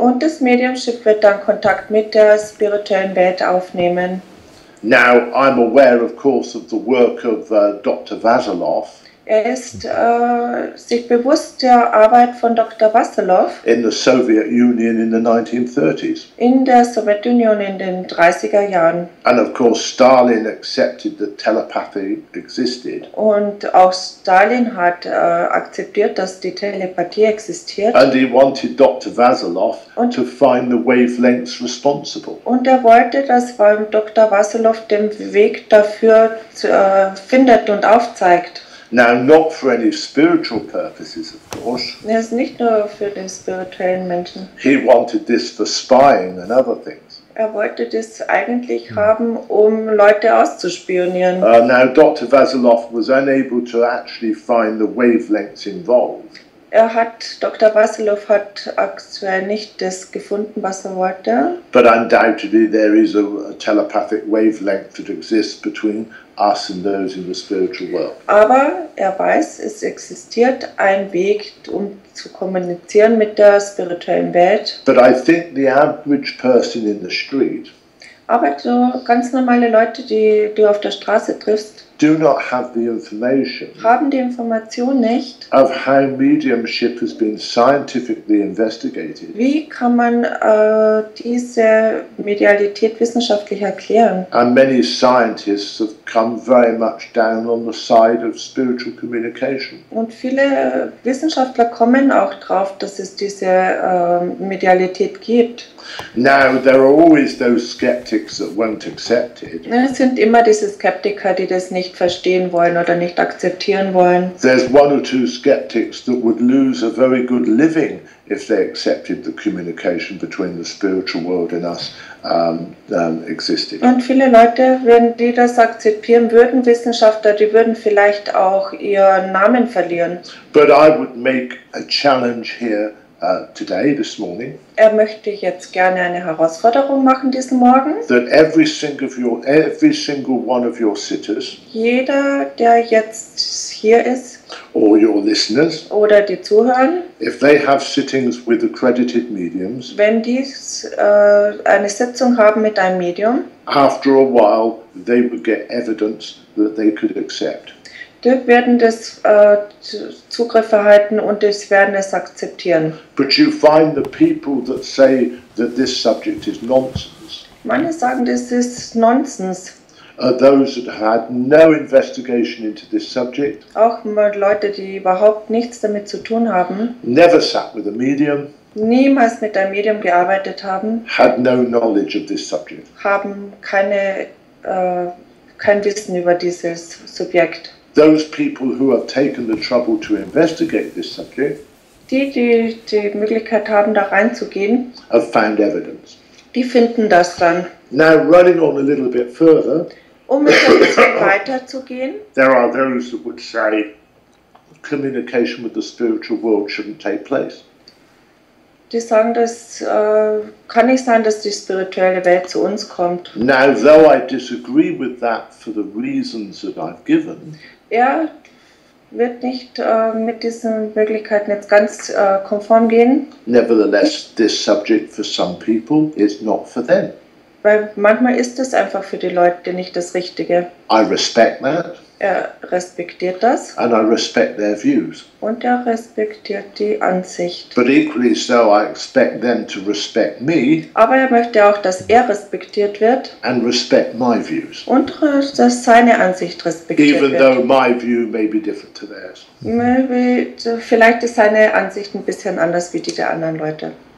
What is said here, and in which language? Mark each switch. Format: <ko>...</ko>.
<de>Und das Mediumship wird dann Kontakt mit der spirituellen Welt aufnehmen.</de> <en>Now I'm aware, of course, of the work of Dr. Vasiloff.</en> <de>Er ist sich bewusst der Arbeit von Dr. Vasiloff</de> <en>in the Soviet Union in the 1930s.</en> <de>In der Sowjetunion in den 30er Jahren.</de> <en>And of course Stalin accepted that telepathy existed.</en> <de>Und auch Stalin hat akzeptiert, dass die Telepathie existiert.</de> <en>And he wanted Dr. Vasiloff to find the wavelengths responsible.</en> <de>Und er wollte, dass vor allem Dr. Vasiloff den Weg dafür findet und aufzeigt.</de> <en>Now, not for any spiritual purposes, of course.</en> <de>Er ist nicht nur für den spirituellen Menschen.</de> <en>He wanted this for spying and other things.</en> <de>Er wollte das eigentlich haben, um Leute auszuspionieren.</de> <en>Now, Dr. Vasiloff was unable to actually find the wavelengths involved.</en> <de>Dr. Vasiloff hat aktuell nicht das gefunden, was er wollte.</de> <en>But undoubtedly there is a telepathic wavelength that exists between us and those in the spiritual world.</en> <de>Aber er weiß, es existiert ein Weg, um zu kommunizieren mit der spirituellen Welt.</de> <en>But I think the average person in the street,</en> <de>aber so ganz normale Leute, die du auf der Straße triffst,</de> <en>do not have the information,</en> <de>haben die Information nicht,</de> <en>of how mediumship has been scientifically investigated.</en> <de>Wie kann man diese Medialität wissenschaftlich erklären?</de> <en>And many scientists have come very much down on the side of spiritual communication.</en> <de>Und viele Wissenschaftler kommen auch drauf, dass es diese Medialität gibt.</de> <en>Now there are always those skeptics that won't accept it.</en> <de>Es sind immer diese Skeptiker, die das nicht verstehen wollen oder nicht akzeptieren wollen.</de> <en>There's one or two skeptics that would lose a very good living if they accepted the communication between the spiritual world and us existed.</en> <de>Und viele Leute, wenn die das akzeptieren würden, Wissenschaftler, die würden vielleicht auch ihren Namen verlieren.</de> <en>But I would make a challenge here today, this morning.</en> <de>Er möchte jetzt gerne eine Herausforderung machen diesen Morgen.</de> <en>That every single one of your sitters,</en> <de>jeder, der jetzt hier ist,</de> <en>or your listeners,</en> <de>oder die Zuhörer,</de> <en>if they have sittings with accredited mediums,</en> <de>wenn die eine Sitzung haben mit einem Medium,</de> <en>after a while they would get evidence that they could accept.</en> <de>Die werden das Zugriff erhalten und das werden es akzeptieren.</de> <en>But you find the people that say that this subject is nonsense.</en> <de>Manche sagen, das ist Nonsens.</de> <en>Those that had no investigation into this subject.</en> <de>Auch mal Leute, die überhaupt nichts damit zu tun haben.</de> <en>Never sat with a medium.</en> <de>Niemals mit einem Medium gearbeitet haben.</de> <en>Had no knowledge of this subject.</en> <de>Haben keine kein Wissen über dieses Subjekt.</de> <en>Those people who have taken the trouble to investigate this subject,</en> <de>die Möglichkeit haben, da reinzugehen,</de> <en>have found evidence.</en> <de>Die finden das dann.</de> <en>Now, running on a little bit further,</en> <de>um ein bisschen weiter zu gehen,</de> <en>there are those that would say communication with the spiritual world shouldn't take place.</en> <de>Die sagen, das kann nicht sein, dass die spirituelle Welt zu uns kommt.</de> <en>Now, though I disagree with that for the reasons that I've given,</en> <de>er wird nicht mit diesen Möglichkeiten jetzt ganz konform gehen.</de> <en>Nevertheless, this subject for some people is not for them.</en> <de>Weil manchmal ist es einfach für die Leute nicht das Richtige.</de> <en>I respect that.</en> <de>Er respektiert das.</de> <en>And I respect their views.</en> <de>Und er respektiert die Ansicht.</de> <en>But equally so, I expect them to respect me.</en> <de>Aber er möchte auch, dass er respektiert wird.</de> <en>And respect my views.</en> <de>Und dass seine Ansicht respektiert</de> <en>even</en> <de>wird.</de> <en>Though my view may be different to theirs. Maybe,</en> <de>vielleicht ist seine Ansicht ein bisschen anders wie die der anderen Leute.</de>